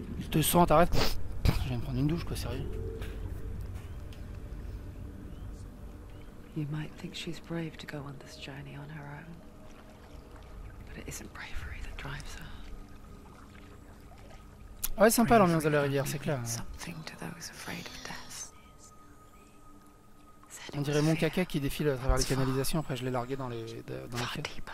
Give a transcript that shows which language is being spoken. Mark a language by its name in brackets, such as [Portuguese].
[French] Te sens, t'arrêtes. Je vais me prendre une douche, quoi, sérieux. [English] You might think she's brave to go on this journey on her own, but it isn't bravery that drives her. [French] Ouais, sympa l'ambiance de la rivière, c'est clair. [English] Something to those afraid of death. [French] On dirait mon caca qui défile à travers les canalisations. Après, je l'ai largué dans les caisses.